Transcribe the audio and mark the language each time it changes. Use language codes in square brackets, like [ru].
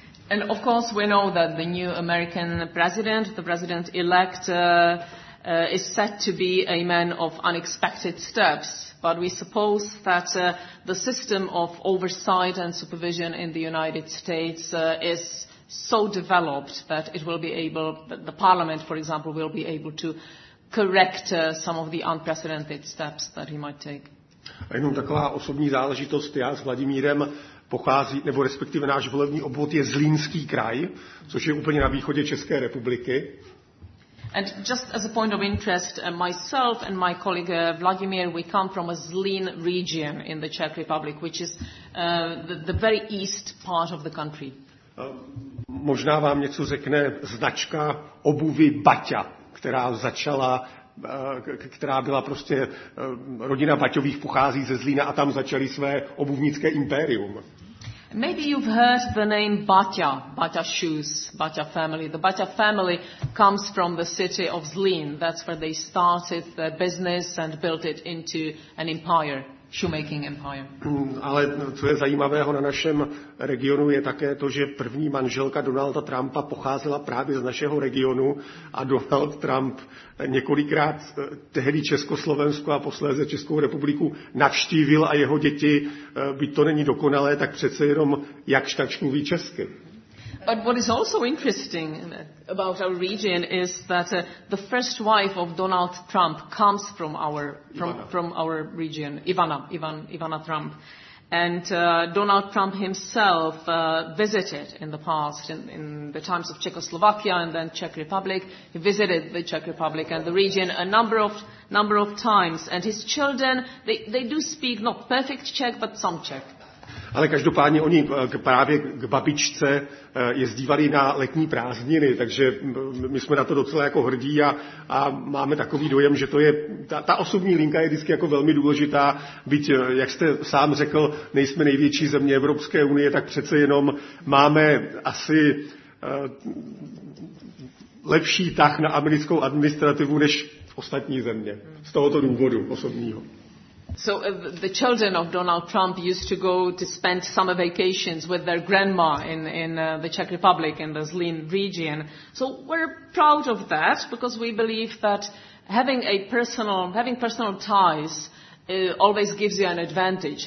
[en] And of course we know that the new American president, the president-elect, is said to be a man of unexpected steps, but we suppose that the system of oversight and supervision in the United States is so developed that it will be able, that the parliament, for example, will be able to correct some of the unprecedented steps that he might take. [cs] A jenom taková osobní záležitost, já s Vladimírem pochází, nebo respektive náš volební obvod je Zlínský kraj, což je úplně na východě České republiky. [en] And just as a point of interest, myself and my colleague Vladimir, we come from a Zlín region in the Czech Republic, which is the very east part of the country. [cs] Možná vám něco řekne značka obuvy Baťa, která začala, která byla prostě, rodina Baťových pochází ze Zlína a tam začaly své obuvnické impérium. [en] Maybe you've heard the name Baťa, Baťa Shoes, Baťa family. The Baťa family comes from the city of Zlín. That's where they started their business and built it into an empire, shoemaking empire. [cs] Ale co je zajímavého na našem regionu je také to, že první manželka Donalda Trumpa pocházela právě z našeho regionu a Donald Trump několikrát tehdy Československo a posléze Českou republiku navštívil a jeho děti, byť to není dokonalé, tak přece jenom jakž takž mluví česky. [en] But what is also interesting about our region is that the first wife of Donald Trump comes from our region, Ivana Trump. And Donald Trump himself visited in the past, in the times of Czechoslovakia and then Czech Republic. He visited the Czech Republic and the region a number of times. And his children, they do speak not perfect Czech, but some Czech. [cs] Ale každopádně oni právě k babičce jezdívali na letní prázdniny, takže my jsme na to docela jako hrdí a máme takový dojem, že to je, ta osobní linka je vždycky jako velmi důležitá, byť, jak jste sám řekl, nejsme největší země Evropské unie, tak přece jenom máme asi lepší tah na americkou administrativu než ostatní země z tohoto důvodu osobního. [en] So the children of Donald Trump used to go to spend summer vacations with their grandma in the Czech Republic in the Zlín region. So we're proud of that because we believe that having personal ties always gives you an advantage.